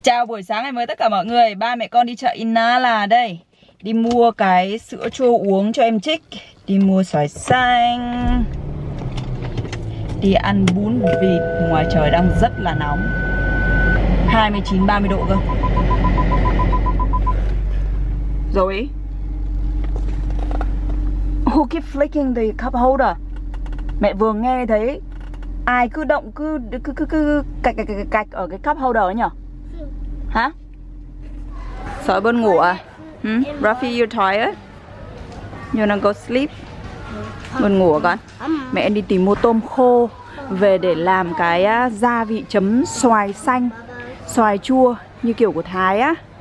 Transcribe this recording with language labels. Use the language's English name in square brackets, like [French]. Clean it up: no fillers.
[Vietnamese] Chào buổi sáng ngày mới tất cả mọi người. Ba mẹ con đi chợ Inala đây. Đi mua cái sữa chua uống cho em Trích. Đi mua xoài xanh. Đi ăn bún vịt. Ngoài trời đang rất là nóng, 29-30 độ cơ. [English] Zoe, who keep flicking the cup holder? [Vietnamese] Mẹ vừa nghe thấy ai cứ động cứ cạch ở cái cup holder ấy nhở? Hả? Sợ bên ngủ à? Rafi, [English] you tired? You wanna go sleep? [Vietnamese] Bên ngủ con. Mẹ đi tìm mua tôm khô về để làm cái gia vị chấm xoài xanh, xoài chua như kiểu của Thái á.